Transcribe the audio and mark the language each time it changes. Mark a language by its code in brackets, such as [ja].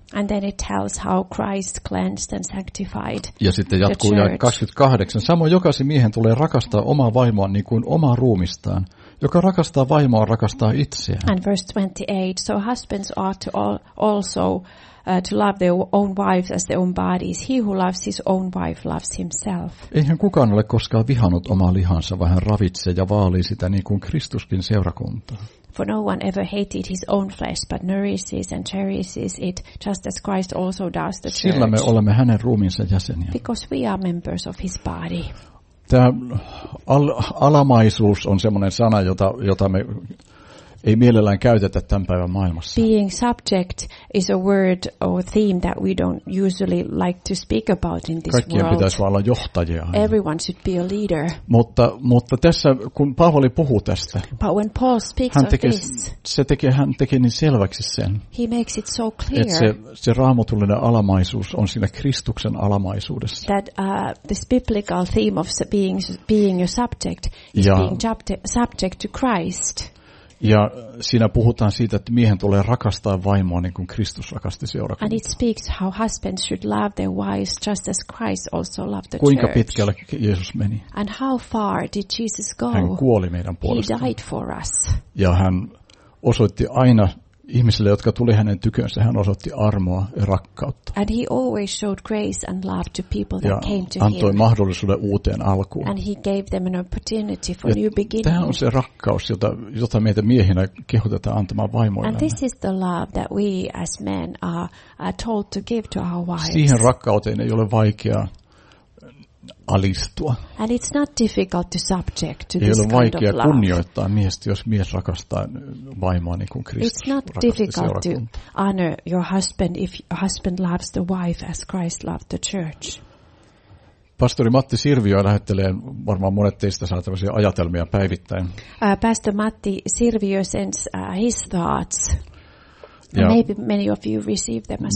[en] And then it tells how Christ cleansed and sanctified. [fi] Ja sitten jatkuu ja 28. Samoin jokaisen miehen tulee rakastaa omaa vaimoa niin kuin omaa ruumistaan. Joka rakastaa vaimoa, rakastaa itseään. [en] And verse 28. So husbands ought to also to love their own wives as their own bodies. He who loves his own wife loves himself. [fi] Eihän kukaan ole koskaan vihannut omaa lihansa, vaan hän ravitsee ja vaalii sitä niin kuin Kristuskin seurakuntaa. [en] For no one ever hated his own flesh, but nourishes and cherishes it, just as Christ also does the church. [fi] Sillä me olemme hänen ruumiinsa jäseniä. [en] Because we are members of his body. [fi] Tämä alamaisuus on semmoinen sana, jota me ei mielellään käytetä tämän päivän maailmassa. [en] Being subject is a word or theme that we don't usually like to speak about in this [fi] Kaikkien [en] world. [fi] Kaikkien pitäisi olla johtajia. [en] Everyone should be a leader. [fi] Mutta tässä, kun Paavali puhuu tästä, [en] but when Paul speaks [fi] hän teki, hän teki niin selväksi sen, [en] he makes it so clear, [fi] että se raamatullinen alamaisuus on siinä Kristuksen alamaisuudessa. [en] That this biblical theme of being a subject is [fi] ja [en] being subject to Christ. [fi] Ja siinä puhutaan siitä, että miehen tulee rakastaa vaimoa niin kuin Kristus rakasti seurakuntaa. [en] And it speaks how husbands should love their wives just as Christ also loved the church. [fi] Kuinka pitkälle Jeesus meni? [en] And how far did Jesus go? [fi] Hän kuoli meidän puolestamme. [en] He died for us. [fi] Ja hän osoitti aina ihmisille, jotka tuli hänen tykönsä, hän osoitti armoa ja rakkautta. [en] And he always showed grace and love to people that came to him. [fi] Ja antoi mahdollisuuden uuteen alkuun. [en] And he gave them an opportunity for new beginning. [fi] Tämä on se rakkaus, jota meitä miehinä kehotetaan antamaan vaimoillemme. [en] And this is the love that we as men are told to give to our wives. [fi] Siihen rakkauteen ei ole vaikeaa alistua. [en] And it's not difficult to subject to [fi] ei [en] this kind of love. [fi] Ei ole vaikea kunnioittaa miestä, jos mies rakastaa vaimoa niin kuin Kristus rakasti seurakuntaa. [en] It's not difficult to honor your husband if your husband loves the wife as Christ loved the church. [fi] Pastori Matti Sirviö lähettelee, varmaan monet teistä saa tämmöisiä ajatelmia päivittäin. [en] Pastor Matti Sirviö sends his thoughts. [fi] Ja [en] maybe many of you receive them as